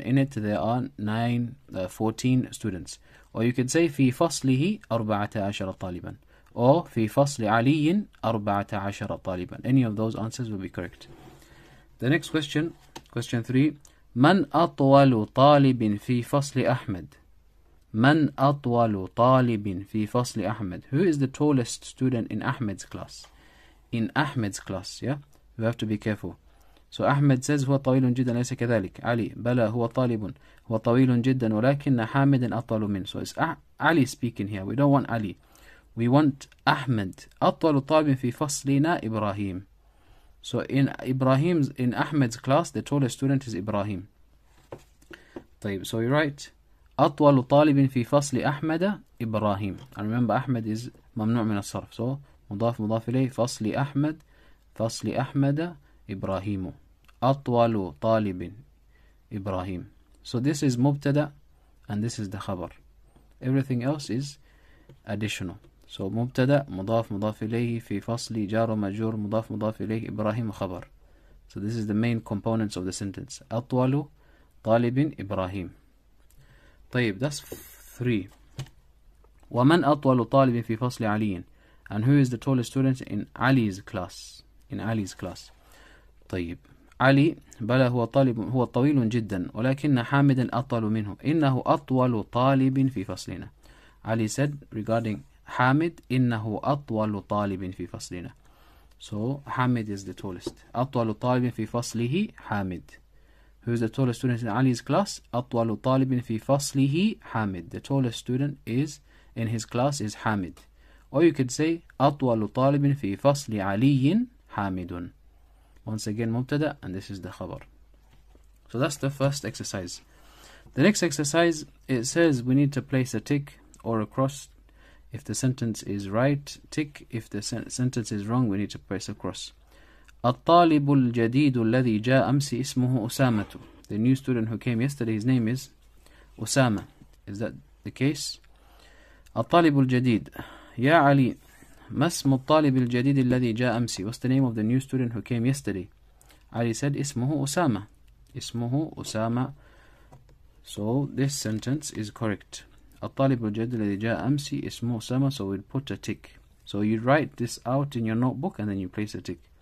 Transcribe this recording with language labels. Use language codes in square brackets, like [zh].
[en] In it there are 14 students. Or you could say [ar] في فصله أربعة عشر طالبا. Or في فصل علي أربعة عشر طالبا. [en] Any of those answers will be correct. The next question, question 3. [ar] من أطول طالب في فصل أحمد? من أطول طالب في فصل أحمد? [en] Who is the tallest student in Ahmed's class? In Ahmed's class, yeah? You have to be careful. So Ahmed says, [ar] هو طويل جدا, ليس كذلك. Ali, بلى, هو طالب. هو طويل جدا, ولكن حامد أطول من. [en] So it's Ali speaking here. We don't want Ali. We want Ahmed. [ar] أطول طالب في فصلنا إبراهيم. [en] So in Ahmed's class, the tallest student is Ibrahim. [ar] طيب, [en] so we write, [ar] أطول طالب في فصل أحمد إبراهيم. [en] And remember, Ahmed is ممنوع من الصرف. [ar] So, مضاف مضاف إليه, فصل أحمد, فصل أحمد إبراهيم. أطول طالب إبراهيم. [en] So this is مبتدأ and this is the خبر. Everything else is additional. [ar] So مبتدأ مضاف مضاف إليه في فصل جار مجور مضاف مضاف إليه إبراهيم خبر. [en] So this is the main components of the sentence. [ar] أطول طالب إبراهيم. [en] طيب, that's three. [ar] ومن أطول طالب في فصل علي? [en] And who is the tallest student in Ali's class? In Ali's class. [ar] طيب, علي بلى هو طالب, هو طويل جدا, ولكن حامد أطول منه. إنه أطول طالب في فصلنا. علي [en] said regarding [ar] حامد, إنه أطول طالب في فصلنا. [en] So حامد is the tallest. [ar] أطول طالب في فصله حامد. [en] Who is the tallest student in Ali's class? [ar] أطول طالب في فصله حامد. [en] The tallest student is in his class is حامد. Or you could say [ar] أطول طالب في فصل علي حامد. [en] Once again, مبتدأ, and this is the خبر. So that's the first exercise. The next exercise, it says we need to place a tick or a cross. If the sentence is right, tick. If the sentence is wrong, we need to place a cross. [ar] الطالب الجديد الذي جاء أمس اسمه أسامة. [en] The new student who came yesterday, his name is أسامة. Is that the case? [ar] الطالب الجديد. يا علي, ما اسم الطالب الجديد الذي جاء أمس? [en] What's the name of the new student who came yesterday? Ali said, [ar] اسمه أسامة. اسمه أسامة. [en] So this sentence is correct. [ar] الطالب الجديد الذي جاء أمس اسمه أسامة. [en] So we'd put a tick. So you write this out in your notebook and then you place a tick.